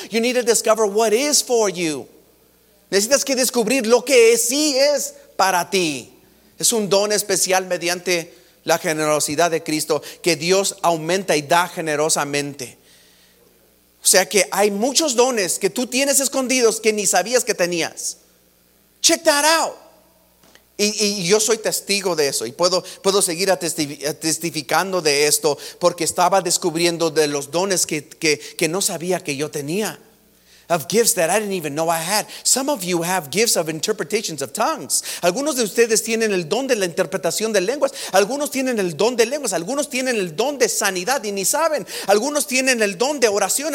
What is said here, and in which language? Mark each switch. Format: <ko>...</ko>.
<en>You need to discover what is for you.</en> <es>Necesitas que descubrir lo que sí es para ti. Es un don especial mediante la generosidad de Cristo que Dios aumenta y da generosamente. O sea que hay muchos dones que tú tienes escondidos que ni sabías que tenías.</es> <en>Check that out.</en> <es>Y yo soy testigo de eso y puedo seguir testificando de esto porque estaba descubriendo de los dones que no sabía que yo tenía.</es> <en>Of gifts that I didn't even know I had. Some of you have gifts of interpretations of tongues.</en> <es>Algunos de ustedes tienen el don de la interpretación de lenguas. Algunos tienen el don de lenguas. Algunos tienen el don de sanidad y ni saben. Algunos tienen el don de oración.</es>